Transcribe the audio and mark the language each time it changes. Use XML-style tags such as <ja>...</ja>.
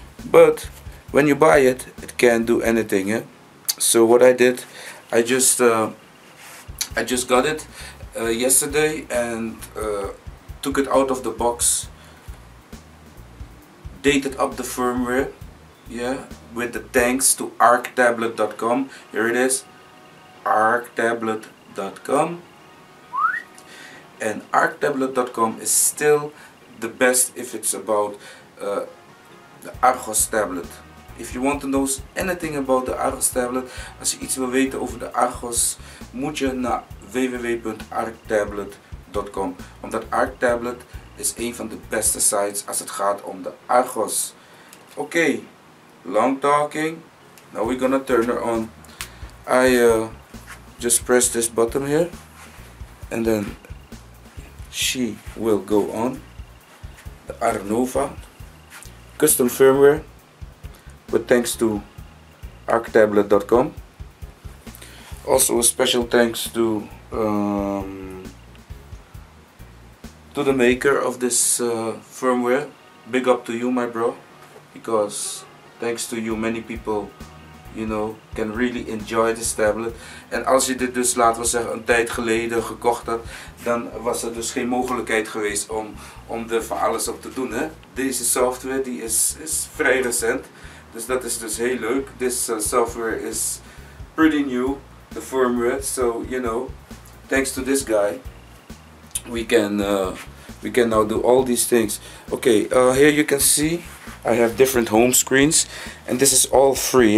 <en>But when you buy it, it can do anything. Eh? So what I did, I just got it yesterday and took it out of the box, dated up the firmware, with the thanks to arctablet.com. Here it is, arctablet.com, and arctablet.com is still the best if it's about the Archos tablet. If you want to know anything about the Archos tablet,</en> <nl>als je iets wil weten over de Archos, moet je naar www.arctablet.com. Omdat Arctablet is een van de beste sites als het gaat om de Archos.</nl> <en>Oké, long talking. Now we're gonna turn her on. I just press this button here. And then she will go on. The ARNOVA. Custom firmware. But thanks to arctablet.com. Also a special thanks to the maker of this firmware. Big up to you, my bro, because thanks to you many people, you know, can really enjoy this tablet.</en> <nl>En als je dit dus, laten we zeggen, een tijd geleden gekocht had, dan was er dus geen mogelijkheid geweest om er van alles op te doen, hè? Deze software die is vrij recent. Dus dat is dus heel leuk.</nl> <en>This software is pretty new, the firmware. So, you know, thanks to this guy, we can now do all these things. Okay, here you can see I have different home screens, and this is all free.</en>